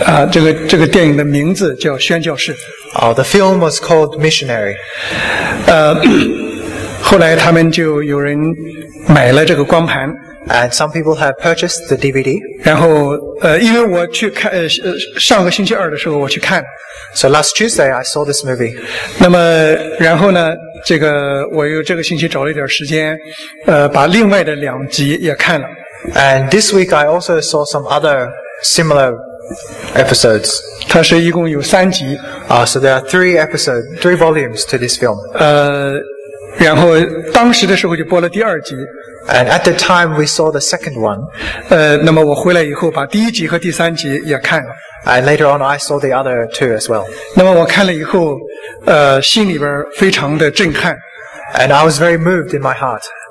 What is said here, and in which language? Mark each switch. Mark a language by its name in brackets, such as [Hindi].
[Chinese] 这个电影的名字叫宣教士。 [English] The film was called Missionary. [Chinese] 后来他们就有人买了这个光盘。 [English] And some people have purchased the DVD. [Chinese] 然后因为我去看上个星期二的时候我去看。 [English] So last Tuesday, I saw this movie. [Chinese] 那么然后呢这个我又这个星期找了一点时间把另外的两集也看了。 [English] And this week, I also saw some other similar episodes. [Chinese] 它是一共有三集。 [English] So there are three volumes to this film. [Chinese] 然后当时的时候就播了第二集。 [English] And at the time we saw the second one. [Chinese] 那么我回来以后把第一集和第三集也看了。 [English] And later on I saw the other two as well. [Chinese] 那么我看了以后心里边非常的震撼。 [English] And I was very moved in my heart.